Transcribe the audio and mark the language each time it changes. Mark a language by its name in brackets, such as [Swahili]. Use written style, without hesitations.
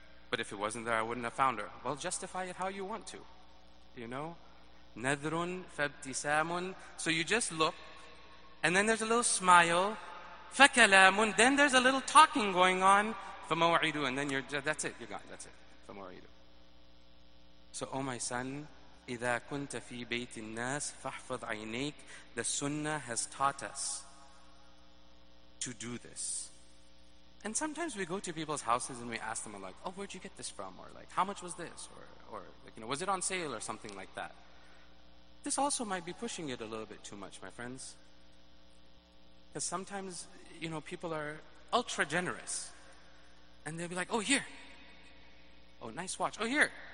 [English] But if it wasn't there, I wouldn't have found her. Well, justify it how you want to. You know? [Arabic] نَذْرٌ فَابْتِسَامٌ. [English] So you just look, and then there's a little smile, فكلام, then there's a little talking going on, فموعد, and then you're, that's it, you're gone, that's it, فموعد. So, oh my son, [Arabic] إذا كنت في بيت الناس فاحفظ عينيك. [English] The sunnah has taught us to do this. And sometimes we go to people's houses and we ask them, like, oh, where'd you get this from? Or like, how much was this? Or like, you know, was it on sale or something like that? This also might be pushing it a little bit too much, my friends. Because sometimes, you know, people are ultra generous. And they'll be like, oh, here. Oh, nice watch. Oh, here.